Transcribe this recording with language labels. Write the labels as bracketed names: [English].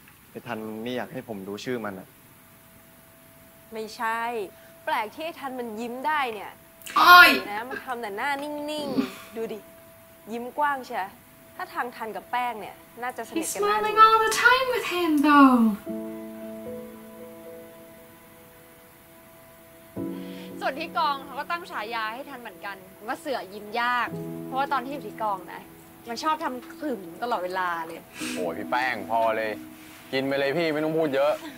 [Thai] ไอ้ทันไม่อยากให้ผมดูชื่อมันอ่ะ ไม่ใช่แปลกที่ไอ้ทันมันยิ้มได้เนี่ย โอ้ย นะมันทำแต่หน้านิ่งๆดูดิยิ้มกว้างใช่ถ้าทางทันกับแป้งเนี่ยน่าจะสนิทกันมาก เลย [English] He's smiling all the time with him though [Thai] ส่วนที่กองเขาก็ตั้งฉายาให้ทันเหมือนกันว่าเสือยิ้มยากเพราะว่าตอนที่อยู่ที่กองนะมันชอบทำขึ้นตลอดเวลาเลย โอ้ยพี่แป้งพอเลยกินไปเลยพี่ไม่ต้องพูดเยอะ